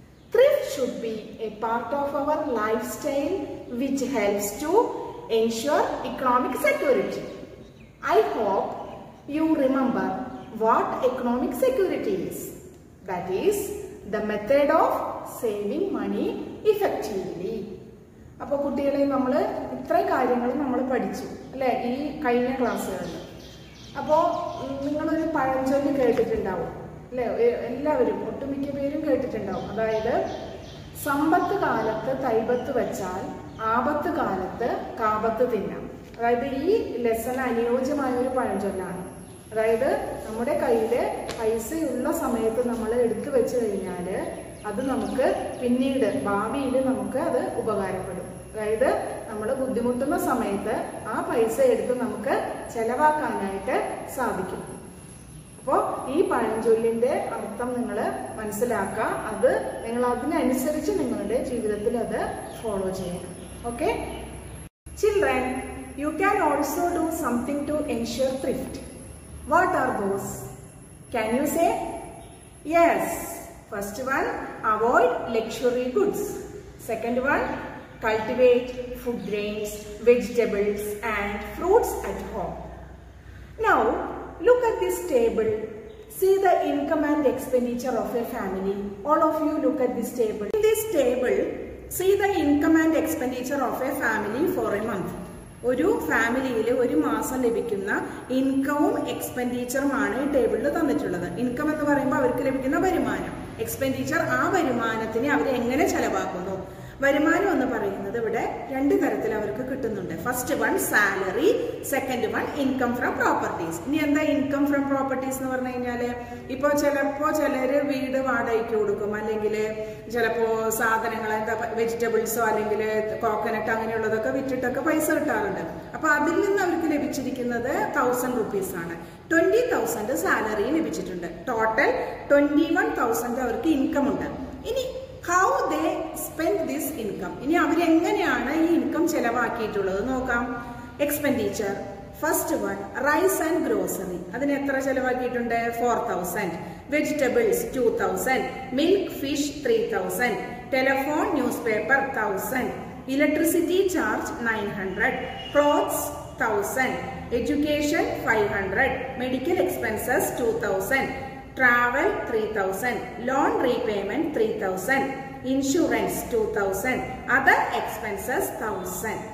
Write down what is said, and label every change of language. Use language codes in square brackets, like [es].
[en] Thrift should be a part of our lifestyle, which helps to ensure economic security. I hope you remember what economic security is. That is the method of saving money effectively. [ml] അപ്പൊ കുട്ടികളെ നമ്മൾ ഇത്രയും കാര്യങ്ങൾ നമ്മൾ പഠിച്ചു അല്ലെ ഈ കഴിഞ്ഞ ക്ലാസ്സുകളിൽ. അപ്പോ നിങ്ങളൊരു പഴഞ്ചൊല്ല് കേട്ടിട്ടുണ്ടാവും അല്ലെ, എല്ലാവരും ഒട്ടുമിക്ക പേരും കേട്ടിട്ടുണ്ടാവും. അതായത് സമ്പത്ത് കാലത്ത് തൈബത്ത് വെച്ചാൽ ആപത്ത് കാലത്ത് കാപത്ത് തിന്നാം. അതായത് ഈ ലെസ്സന് അനുയോജ്യമായ ഒരു പഴഞ്ചൊല്ലാണ്. അതായത് നമ്മുടെ കയ്യിൽ പൈസയുള്ള സമയത്ത് നമ്മൾ എടുത്തു വെച്ച് കഴിഞ്ഞാൽ അത് നമുക്ക് പിന്നീട് ഭാവിയിൽ നമുക്ക് അത് ഉപകാരപ്പെടും. അതായത് നമ്മൾ ബുദ്ധിമുട്ടുന്ന സമയത്ത് ആ പൈസ എടുത്ത് നമുക്ക് ചെലവാക്കാനായിട്ട് സാധിക്കും. അപ്പോൾ ഈ പഴഞ്ചൊല്ലിൻ്റെ അർത്ഥം നിങ്ങൾ മനസ്സിലാക്കുക, അത് നിങ്ങൾ അതിനനുസരിച്ച് നിങ്ങളുടെ ജീവിതത്തിൽ അത് ഫോളോ ചെയ്യണം. [en] Okay children, you can also do something to ensure thrift. What are those? Can you say? Yes. First one, avoid luxury goods. Second one, cultivate food grains, vegetables and fruits at home. Now, look at this table. See the income and expenditure of a family. All of you look at this table. In this table, see the income and expenditure of a family for a month. [ml] ഒരു ഫാമിലിയിൽ ഒരു മാസം ലഭിക്കുന്ന ഇൻകവും എക്സ്പെൻഡിച്ചറുമാണ് ഈ ടേബിളിൽ തന്നിട്ടുള്ളത്. Income എന്ന് പറയുമ്പോൾ അവർക്ക് ലഭിക്കുന്ന വരുമാനം, എക്സ്പെൻഡിച്ചർ ആ വരുമാനത്തിനെ അവർ എങ്ങനെ ചെലവാക്കുന്നു. വരുമാനം എന്ന് പറയുന്നത് ഇവിടെ രണ്ട് തരത്തിൽ അവർക്ക് കിട്ടുന്നുണ്ട്. [en] First one salary, second one income from properties. [ml] ഇനി എന്താ ഇൻകം ഫ്രം പ്രോപ്പർട്ടീസ് എന്ന് പറഞ്ഞു കഴിഞ്ഞാല്, ഇപ്പോൾ ചിലപ്പോൾ ചിലര് വീട് വാടകയ്ക്ക് കൊടുക്കും, അല്ലെങ്കിൽ ചിലപ്പോൾ സാധനങ്ങൾ എന്താ വെജിറ്റബിൾസോ അല്ലെങ്കിൽ കോക്കനട്ട് അങ്ങനെയുള്ളതൊക്കെ വിറ്റിട്ടൊക്കെ പൈസ കിട്ടാറുണ്ട്. അപ്പൊ അതിൽ നിന്ന് അവർക്ക് ലഭിച്ചിരിക്കുന്നത് 1000 rupees ആണ്. 20,000 സാലറി ലഭിച്ചിട്ടുണ്ട്. ടോട്ടൽ 21,000 അവർക്ക് ഇൻകം ഉണ്ട്. ഇനി [en] How they spend this income? [ml] ഇനി അവരെങ്ങനെയാണ് ഈ ഇൻകം ചെലവാക്കിയിട്ടുള്ളത് നോക്കാം. [en] expenditure, first one rice and grocery, [ml] അതിന് എത്ര ചെലവാക്കിയിട്ടുണ്ട്? [en] 4,000. Vegetables 2,000. Milk fish 3,000. Telephone news paper 1,000. electricity charge 900, clothes 1000, education 500, medical expenses 2000, travel 3000, loan repayment 3000, insurance 2000, other expenses 1000.